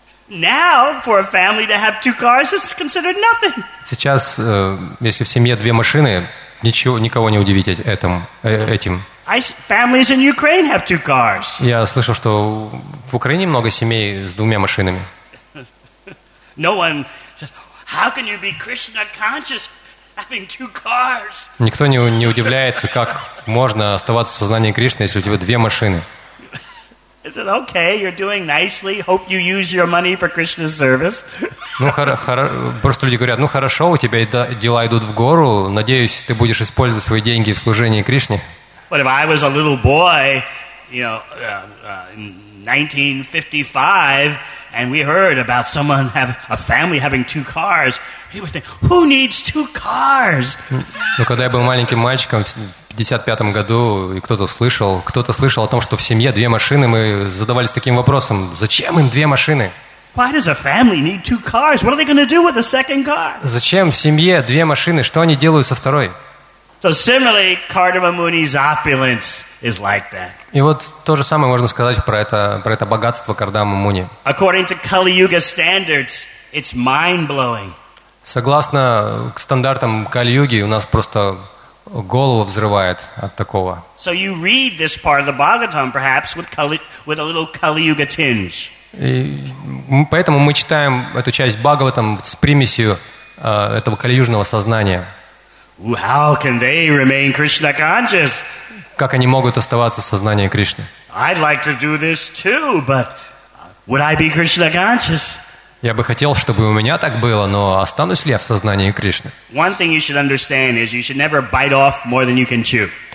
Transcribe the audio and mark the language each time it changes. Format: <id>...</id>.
<en>Now, for a family to have two cars, this is considered nothing.</en> <ru>Сейчас, если в семье две машины, ничего, никого не удивить этим.</ru> <en>Families in Ukraine have two cars.</en> <ru>Я слышал, что в Украине много семей с двумя машинами.</ru> <en>No one says, how can you be Krishna conscious having two cars?</en> <ru>Никто не удивляется, как можно оставаться в сознании Кришны, если у тебя две машины.</ru> <en>I said, okay, you're doing nicely. Hope you use your money for Krishna's service.</en> <ru>Ну, просто люди говорят, ну хорошо, у тебя дела идут в гору. Надеюсь, ты будешь использовать свои деньги в служении Кришне.</ru> <en>But if I was a little boy, you know, in 1955, and we heard about someone a family having two cars, we would think, who needs two cars?</en> <ru>Ну, когда я был маленьким мальчиком в 55-м году, и кто-то слышал о том, что в семье две машины, мы задавались таким вопросом, зачем им две машины?</ru> <en>Why does a family need two cars? What are they going to do with the second car?</en> <ru>Зачем в семье две машины? Что они делают со второй?</ru> <en>So similarly, Kardama Muni's opulence is like that.</en> <ru>И вот то же самое можно сказать про это богатство Кардама Муни.</ru> <en>According to Kali Yuga standards, it's mind-blowing.</en> <ru>Согласно стандартам Кали-Юги, у нас просто голову взрывает от такого.</ru> <en>So you read this part of the Bhagavatam, perhaps, with a little Kali-Yuga tinge.</en> <ru>И поэтому мы читаем эту часть Бхагаватам с примесью этого калиюжного сознания.</ru> <en>How can they remain Krishna conscious?</en> <ru>Как они могут оставаться в сознании Кришны?</ru> <en>I'd like to do this too, but would I be Krishna conscious?</en> <ru>Я бы хотел, чтобы у меня так было, но останусь ли я в сознании Кришны?</ru> <en>One thing you should understand is you should never bite off more than you can chew.</en>